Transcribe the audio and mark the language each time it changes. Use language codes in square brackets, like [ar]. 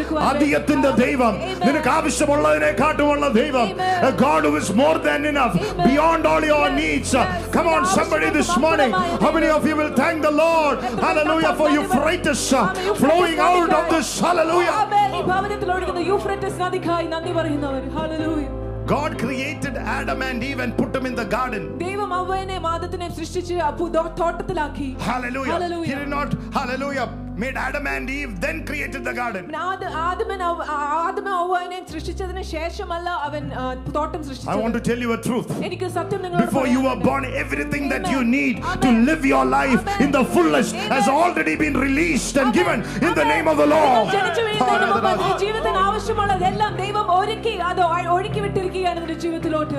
[ml] അധികത്തിന്റെ ദൈവം, നിനക്ക് ആവശ്യമുള്ളതിനെ കാട്ടുമുള്ള ദൈവം. [en] A God who is more than enough, beyond all your needs. Come on somebody this morning, how many of you will thank the Lord? Hallelujah for Euphrates flowing out of this. Hallelujah. God created Adam and Eve and put them in the garden. [ml] ദൈവം അവനെ ആദത്തിനെ സൃഷ്ടിച്ച് തോട്ടത്തിലാക്കി. [en] Hallelujah. Hallelujah. He did not, hallelujah, made Adam and Eve, then created the garden. I want to tell you a truth. Before you were born, everything that you need to live your life in the fullness has already been released and given in the name of the Lord.